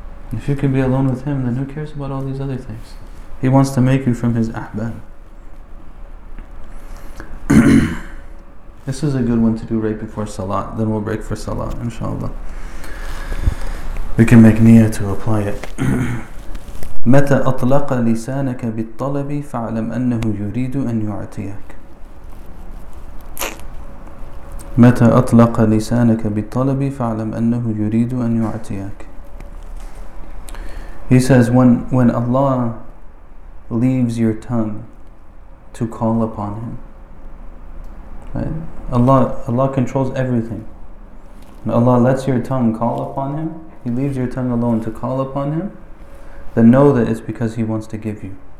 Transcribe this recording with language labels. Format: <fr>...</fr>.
<en>If you can be alone with Him, then who cares about all these other things? He wants to make you from His ahbab. This is a good one to do right before Salat, then we'll break for Salat, inshallah. We can make niyyah to apply it.</en> <ar>متى أطلق لسانك بالطلب فعلم أنه يريد أن يعطيك. متى أطلق لسانك بالطلب فعلم أنه يريد أن يعطيك.</ar> <en>He says, when Allah leaves your tongue to call upon Him, right? Allah controls everything. When Allah lets your tongue call upon Him, He leaves your tongue alone to call upon Him, then know that it's because He wants to give you.</en>